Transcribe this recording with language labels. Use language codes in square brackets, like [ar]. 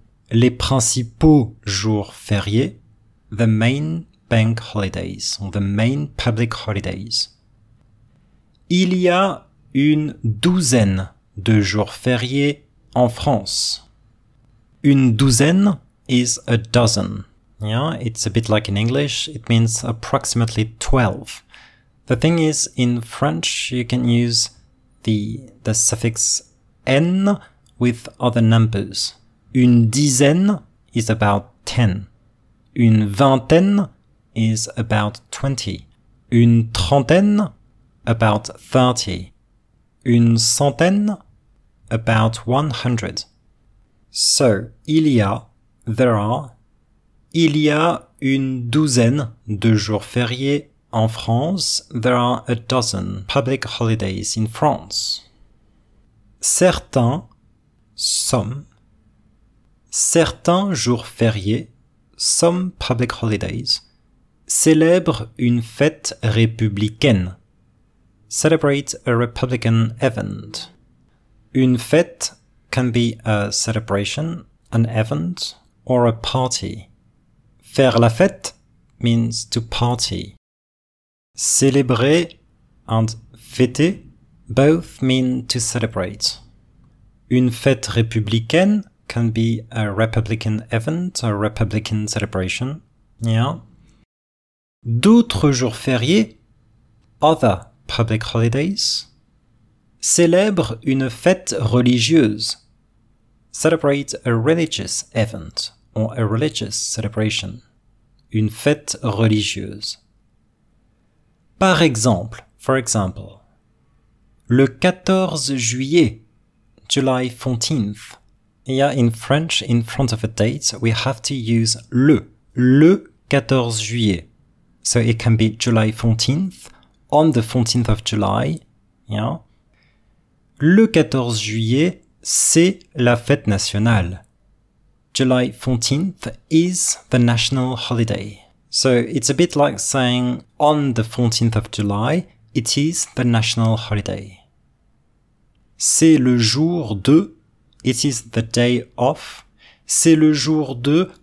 [fr] Les principaux jours fériés, [en] the main bank holidays, or the main public holidays. [fr] Il y a une douzaine de jours fériés en France. [en] Une douzaine is a dozen. Yeah, it's a bit like in English, it means approximately 12. The thing is, in French, you can use the suffix n with other numbers. Une dizaine is about 10. Une vingtaine is about 20. Une trentaine, about 30. Une centaine, about 100. [fr] So, il y a, [en] there are, [fr] il y a une douzaine de jours fériés en France. [en] There are a dozen public holidays in France. [fr] Certains, some, certains jours fériés, [en] some public holidays, [fr] célèbrent une fête républicaine. [en] Celebrate a Republican event. Une fête can be a celebration, an event, or a party. Faire la fête means to party. Célébrer and fêter both mean to celebrate. Une fête républicaine can be a Republican event, a Republican celebration. Yeah. [fr] D'autres jours fériés, [en] other public holidays, [fr] célèbrent une fête religieuse. [en] Celebrate a religious event or a religious celebration. [fr] Une fête religieuse. Par exemple, [en] for example, [fr] le 14 juillet, [en] July 14th. Yeah, in French, in front of a date, we have to use le 14 juillet. So it can be July 14th, on the 14th of July. Yeah. [fr] Le 14 juillet, c'est la fête nationale. [en] July 14th is the national holiday. So it's a bit like saying on the 14th of July, it is the national holiday. [fr] C'est le jour de, [en] it is the day of, [fr] c'est le jour de